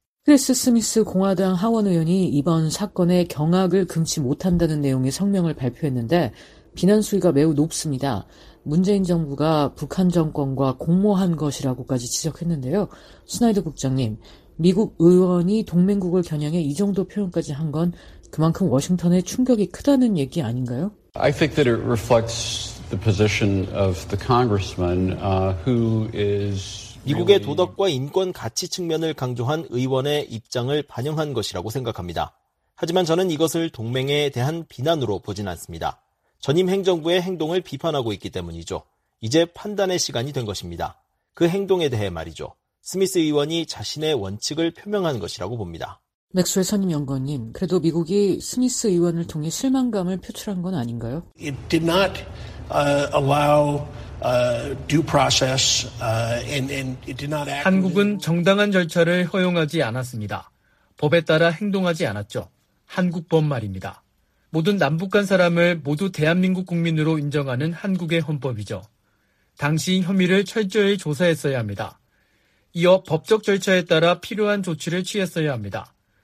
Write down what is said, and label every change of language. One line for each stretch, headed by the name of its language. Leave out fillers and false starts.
Korean: 크리스 스미스 공화당 하원 의원이 이번 사건의 경악을 금치 못한다는 내용의 성명을 발표했는데 비난 수위가 매우 높습니다. 문재인 정부가 북한 정권과 공모한 것이라고까지 지적했는데요. 스나이더 국장님, 미국 의원이 동맹국을 겨냥해 이 정도 표현까지 한 건 그만큼 워싱턴의 충격이 크다는 얘기 아닌가요?
English: I think that it reflects the position of the congressman who is
Korean: 미국의 도덕과 인권 가치 측면을 강조한 의원의 입장을 반영한 것이라고 생각합니다. 하지만 저는 이것을 동맹에 대한 비난으로 보진 않습니다. 전임 행정부의 행동을 비판하고 있기 때문이죠. 이제 판단의 시간이 된 것입니다. 그 행동에 대해 말이죠. 스미스 의원이 자신의 원칙을 표명한 것이라고 봅니다. 맥스웰 선임 연구원님, 그래도 미국이 스미스 의원을 통해 실망감을 표출한 건 아닌가요?
English: It did not allow due process and it did not act.
Korean: 한국은 정당한 절차를 허용하지 않았습니다. 법에 따라 행동하지 않았죠. 한국법 말입니다. 모든 남북 간 사람을 모두 대한민국 국민으로 인정하는 한국의 헌법이죠. 당시 혐의를 철저히 조사했어야 합니다. 이어 법적 절차에 따라 필요한 조치를 취했어야 합니다.